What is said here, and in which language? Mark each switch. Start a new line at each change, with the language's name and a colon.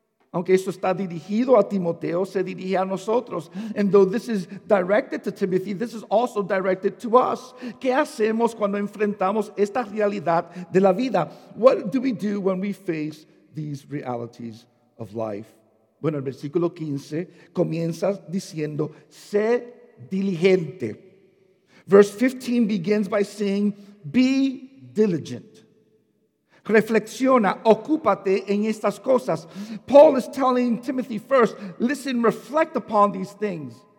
Spanish: Aunque esto está dirigido a Timoteo, se dirige a nosotros.
English: And though this is directed to Timothy, this is also directed to us.
Spanish: ¿Qué hacemos cuando enfrentamos esta realidad de la vida?
English: What do we do when we face these realities of life?
Spanish: Bueno, el versículo 15 comienza diciendo, sé diligente.
English: Verse 15 begins by saying, be diligent.
Spanish: Reflexiona, ocúpate en estas cosas.
English: Paul is telling Timothy first, listen, reflect upon these things.